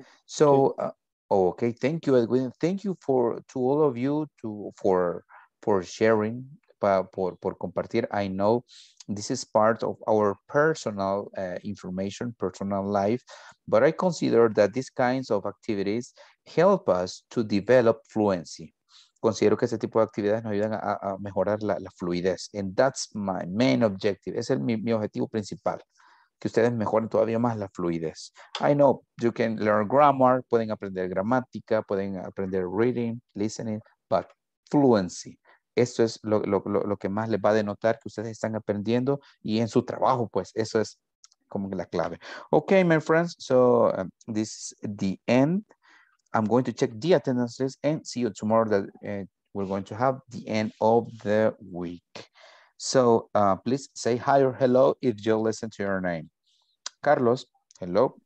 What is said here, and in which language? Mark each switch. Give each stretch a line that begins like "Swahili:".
English: So, okay, thank you, Edwin. Thank you for sharing.
Spanish: Por compartir.
English: I know this is part of our personal information, personal life, but I consider that these kinds of activities help us to develop fluency.
Spanish: considero que este tipo de actividades nos ayudan a mejorar la fluidez.
English: And that's my main objective.
Spanish: Ese es mi objetivo principal, que ustedes mejoren todavía más la fluidez.
English: I know you can learn grammar,
Spanish: pueden aprender gramática, pueden aprender
English: reading, listening, but fluency.
Spanish: Eso es lo que más les va a denotar que ustedes están aprendiendo y en su trabajo, pues, eso es como la clave.
English: Okay, my friends, so this is the end. I'm going to check the attendance list and see you tomorrow that we're going to have the end of the week. So please say hi or hello if you listen to your name. Carlos, hello.